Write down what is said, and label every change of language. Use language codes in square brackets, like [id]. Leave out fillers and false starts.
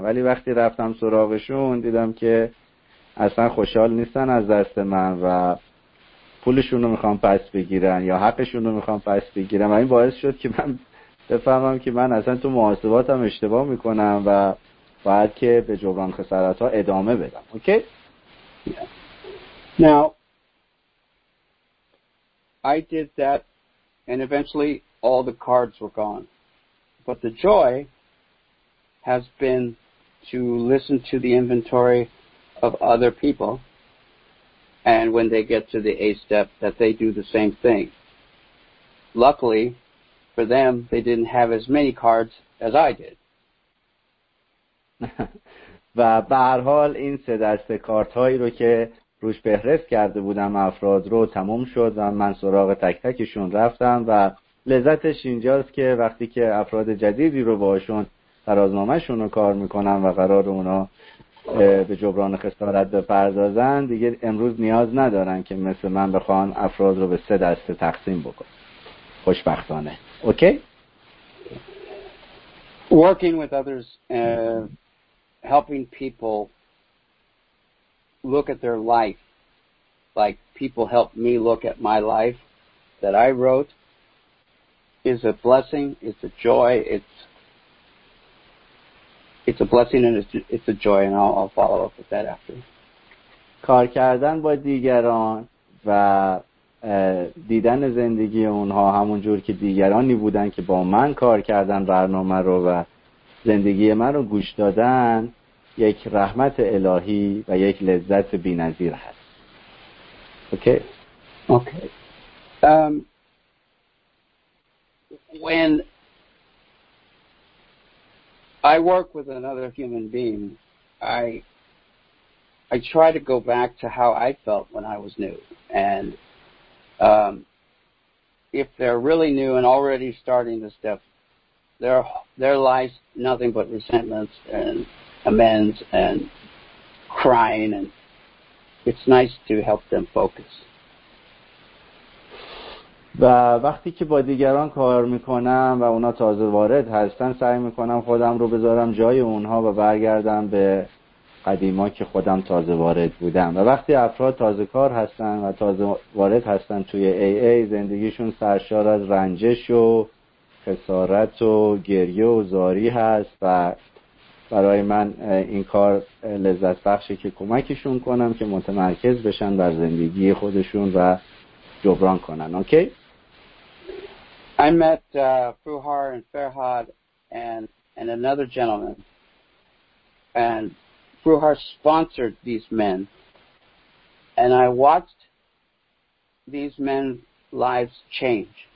[fa] ولی وقتی رفتم سراغشون دیدم که اصلا خوشحال نیستن از دست من و پولشون رو میخوام پس بگیرن یا حقشون رو میخوام پس بگیرن. و این باعث شد که من بفهمم که من اصلا تو محاسباتم اشتباه میکنم و باید که به جبران خسارت ها ادامه بدم. اوکی؟ [en] Now I did that and eventually all the cards were gone. But the joy has been to listen to the inventory of other people, and when they get to the eighth step, that they do the same thing. Luckily for them, they didn't have as many cards as I did. [fa] و به هر حال این سه دسته کارت هایی رو که روش فهرست کرده بودم افراد رو تموم شد و من سراغ تک تکشون رفتم و لذتش اینجاست که وقتی که افراد جدیدی رو باشون ترازنامه‌شون رو کار میکنن و قرار اونا به جبران خسارت بپردازن، دیگه امروز نیاز ندارن که مثل من بخوان افراد رو به سه دسته تقسیم بکن. خوشبختانه. اوکی؟ [en] Working with others helping people look at their life like people helped me look at my life that I wrote is a blessing, it's a joy, it's a blessing and it's a joy, and I'll follow up with that after. [fa] کار کردن با دیگران و دیدن زندگی اونها همون جور که دیگرانی بودن که با من کار کردن برنامه رو و زندگی من رو گوش دادن یک رحمت الهی و یک لذت بی‌نظیر هست. اوکی. [en] When I work with another human being, I try to go back to how I felt when I was new. And if they're really new and already starting the step, there lies nothing but resentments and amends and crying, and it's nice to help them focus. [fa] و وقتی که با دیگران کار میکنم و اونا تازه وارد هستن، سعی میکنم خودم رو بذارم جای اونها و برگردم به قدیما که خودم تازه وارد بودم. و وقتی افراد تازه کار هستن و تازه وارد هستن توی AA، زندگیشون سرشار از رنجش و خسارت و گریه و زاری هست و برای من این کار لذت بخشه که کمکشون کنم که متمرکز بشن بر زندگی خودشون و جبران کنن. اوکی؟ [en] I met Fuhar and Farhad and another gentleman, and Fuhar sponsored these men, and I watched these men's lives change.